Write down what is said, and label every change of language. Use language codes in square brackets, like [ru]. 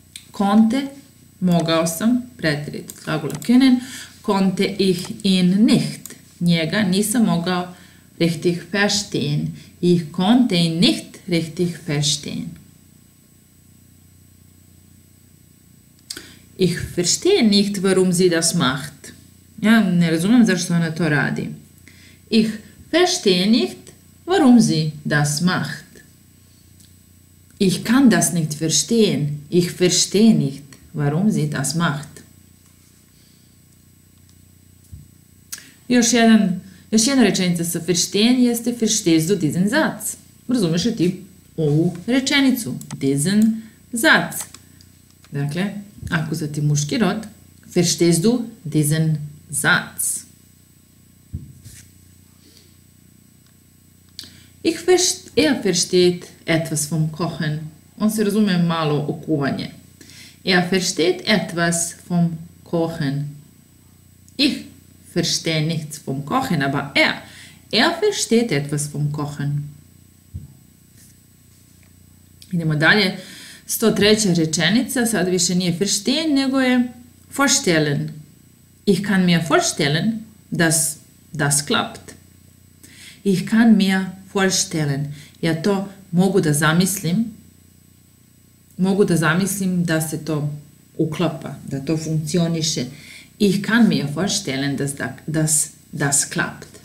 [de] Konnte, [sr] mogao sam, preterit glagola [de] können, konnte ich ihn nicht. [sr] Njega nisam mogao [de] richtig verstehen. Ich konnte ihn nicht richtig verstehen. Ich verstehe nicht, warum sie das macht. [sr] Ja ne razumem zašto ona to radi. [de] Ich verstehe nicht, warum sie das macht. Ich kann das nicht verstehen. Ich verstehe nicht, warum sie das macht. [sr] Još jedna rečenica sa verstehen jeste [de] verstehst du diesen Satz. [sr] Razumeš li ti ovu rečenicu? [de] Diesen Satz. [sr] Dakle, akuzativ muški rod, [de] verstehst du diesen Satz? Er versteht etwas vom Kochen. [sr] On se razume malo o kuvanje. [de] Er versteht etwas vom Kochen. Ich verstehe nichts vom Kochen, aber er versteht etwas vom Kochen. [sr] Idemo dalje. 103. rečenica, sad više nije verstehen, nego je vorstellen. [de] Ich kann mir vorstellen, dass das klappt. Ich kann mir vorstellen. [sr] Ja to mogu da zamislim. Mogu da zamislim da se to uklapa, da to funkcioniše. [de] Ich kann mir vorstellen, dass das klappt.